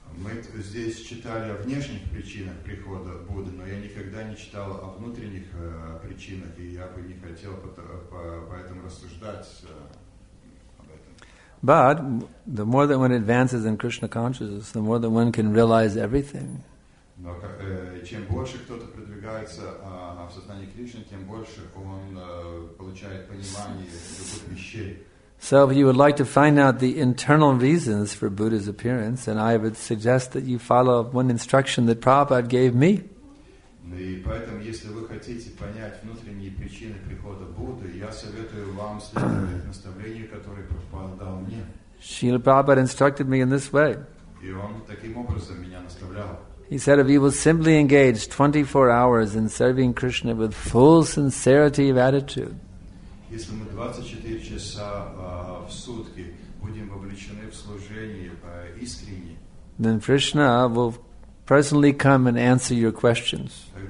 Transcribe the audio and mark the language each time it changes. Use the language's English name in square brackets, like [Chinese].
[Russian] Мы здесь читали о внешних причинах прихода Будды, но я никогда не читал о внутренних причинах, и я бы не хотел поэтому рассуждать об этом. [English] But the more that one advances in Krishna consciousness, the more that one can realize everything. [Russian] Но чем больше кто-то продвигается в сознании Кришны, тем больше он получает понимание любых вещей. [English] So if you would like to find out the internal reasons for Buddha's appearance, then I would suggest that you follow one instruction that Prabhupada gave me. [Russian] И поэтому, если вы хотите понять внутренние причины прихода Будды, я советую вам следовать наставлению, которое Прабхупада дал мне. [English] Srila Prabhupada instructed me in this way. [Russian] И он таким образом меня наставлял. [English] He said, if you will simply engage 24 hours in serving Krishna with full sincerity of attitude, then Krishna will personally come and answer your questions.